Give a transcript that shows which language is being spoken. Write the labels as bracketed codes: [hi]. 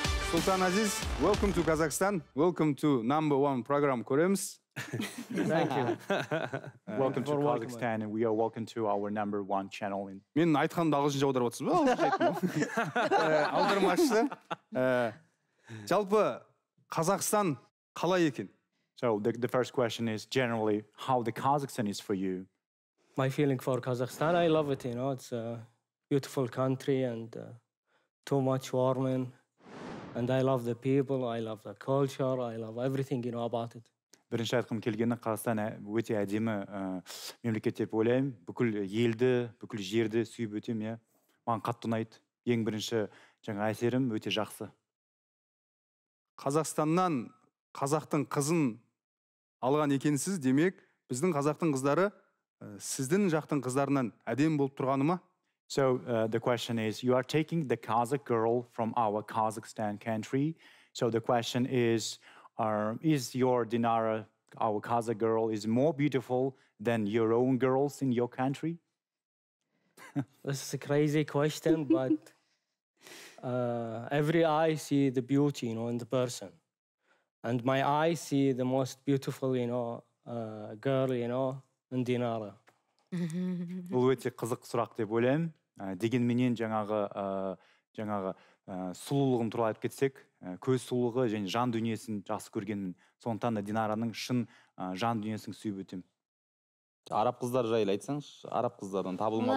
[en] Султан Азиз, welcome to Kazakhstan. Welcome to number one program, Kurems. Thank you. Welcome to Kazakhstan and we are welcome to our number one channel. [kk] Мен айтқан дағылшынша аударып отырсыз ба? Аудармашы. Жалпы, Қазақстан қалай екен? [en] So the first question is generally, how the Kazakhstan is for you? My feeling for Kazakhstan, I love it, you know. It's a beautiful country and too much warming. And I love the people, I love the culture, I love everything, you know, about it. [kk] Бірінші айтқым келгені Қазақстан өте әдемі мемлекет деп ойлаймын. Бүкіл елді, бүкіл жерді сүйіп өтемін, иә. Маған қатты ұнайды. Ең бірінші жаңа әсерім өте жақсы. Қазақстаннан қазақтың қызын алған екенсіз, демек, біздің қазақтың қыздары сіздің жақтың қыздарынан әдемі болып тұрғаны ма? [en] So the question is, you are taking the Kazakh girl from our Kazakhstan country. So the question is your Dinara, our Kazakh girl, is more beautiful than your own girls in your country? This is a crazy question, but every eye see the beauty, you know, in the person. And my eye see the most beautiful, you know, girl, you know, in Dinara. [kk] Бұл өте қызық сұрақ деп ойлаймын. Дегенменен жаңағы сұлулығын туралы айтып кетсек, көз сұлулығы және жан дүниесін жақсы көргенмін. Сондықтан да Динараның шын жан дүниесін сүйіп өтемін. Араб қыздары жайлы айтсаңшы, араб қыздардан табылмады ма?